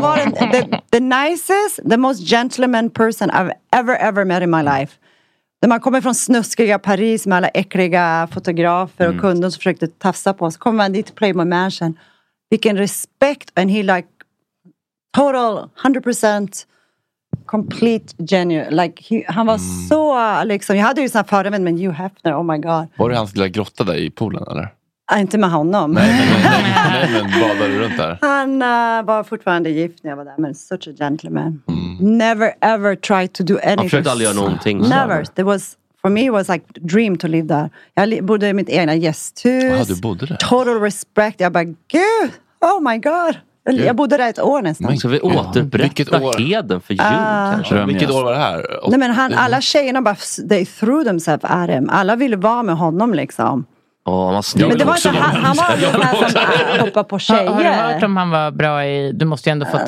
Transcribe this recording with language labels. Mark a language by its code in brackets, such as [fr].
[en] var the nicest, the most gentleman person I've ever met in my life. [sv] När man kommer från snuskiga Paris med alla äckliga fotografer och kunder som försökte tafsa på oss, kommer man dit till Playboy Mansion. Vilken respekt, [en] and he like total 100% complete genuine, like [sv] han var så liksom, jag hade ju sån här men Hugh Hefner, [en] oh my god. [sv] Var det hans lilla grotta där i poolen eller? Inte med honom. Nej, men badade du runt där? Han var fortfarande gift när jag var där, men [en] such a gentleman. Never ever tried to do anything. [sv] Han försökte aldrig göra någonting. [en] Never, there was, for me it was like dream to live there. [sv] Jag bodde i mitt egna gästhus. Ja, du bodde där. [en] Total respect, [sv] jag bara, gud, [en] oh my god. Gud. [sv] Jag bodde där ett år nästan. Ska vi återberätta heden för jul? Vilket år var det här? Nej, men alla tjejerna bara, [en] they threw themselves at him. [sv] Alla ville vara med honom liksom. Men det var inte han var den här som hoppade på tjejer. Har du hört om han var bra i, du måste ju ändå fått